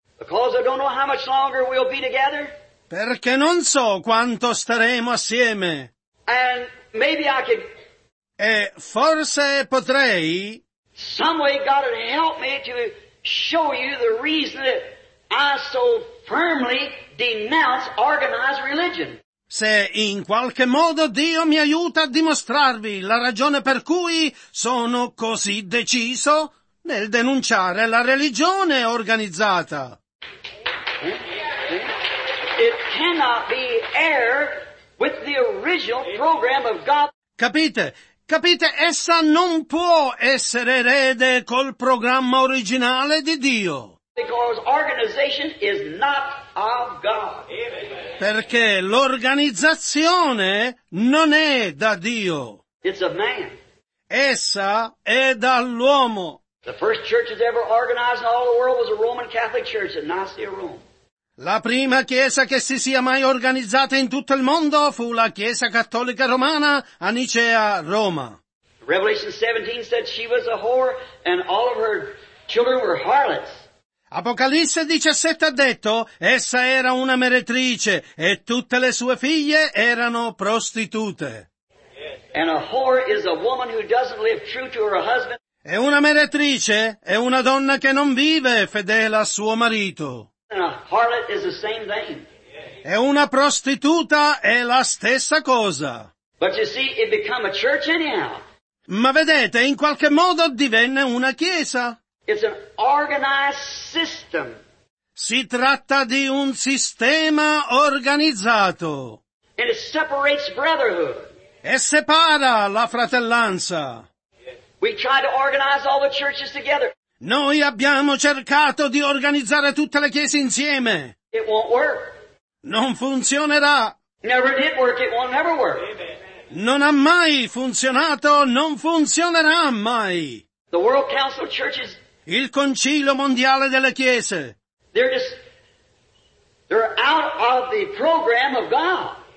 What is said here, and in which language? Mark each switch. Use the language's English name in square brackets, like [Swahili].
[English] Because I don't know how much longer we'll be together. [Italian] Perché non so quanto staremo assieme. [English] And maybe I could. [Italian] E forse potrei. [English] Some way God would help me to show you the reason that I so firmly denounce organized religion. [Italian] Se in qualche modo Dio mi aiuta a dimostrarvi la ragione per cui sono così deciso nel denunciare la religione organizzata. [English] It cannot be heir with the original program of God. [Italian] Capite? Capite? Essa non può essere erede col programma originale di Dio. [English] Because organization is not of God. [Italian] Perché l'organizzazione non è da Dio. [English] It's of man. [Italian] Essa è dall'uomo. [English] The first church that ever organized in all the world was a Roman Catholic church in Nicaea, Rome. [Italian] La prima chiesa che si sia mai organizzata in tutto il mondo fu la Chiesa Cattolica Romana a Nicea, Roma. [English] Revelation 17 said she was a whore and all of her children were harlots. [Italian] Apocalisse 17 ha detto: essa era una meretrice e tutte le sue figlie erano prostitute. [English] And a whore is a woman who doesn't live true to her husband. [Italian] E una meretrice è una donna che non vive fedele a suo marito. [English] And a harlot is the same thing. [Italian] E una prostituta è la stessa cosa. [English] But you see, it became a church anyhow. [Italian] Ma vedete, in qualche modo divenne una chiesa. [English] It's an organized system. [Italian] Si tratta di un sistema organizzato. [English] And it separates brotherhood. [Italian] E separa la fratellanza. [English] We tried to organize all the churches together. [Italian] Noi abbiamo cercato di organizzare tutte le chiese insieme. [English] It won't work. [Italian] Non funzionerà. [English] Never did work, it won't never work. [Italian] Non ha mai funzionato, non funzionerà mai. [English] The World Council of Churches, [Italian] il Concilio Mondiale delle Chiese, [English] they're out of the program of God.